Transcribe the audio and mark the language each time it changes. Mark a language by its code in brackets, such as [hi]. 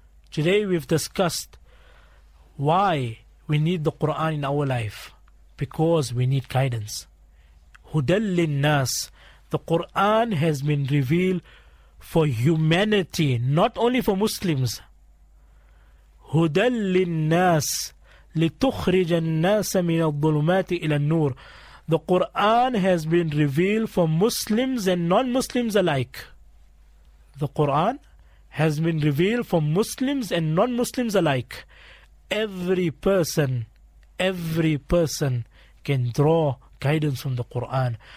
[en] Today we've discussed why we need the Quran in our life. Because we need guidance. Hudal linnas. The Quran has been revealed for humanity, not only for Muslims. Hudal linnas, [ar] لتخرج الناس من الظلمات إلى النور. [en] The Quran has been revealed for Muslims and non-Muslims alike. The Quran has been revealed for Muslims and non-Muslims alike. Every person can draw guidance from the Quran.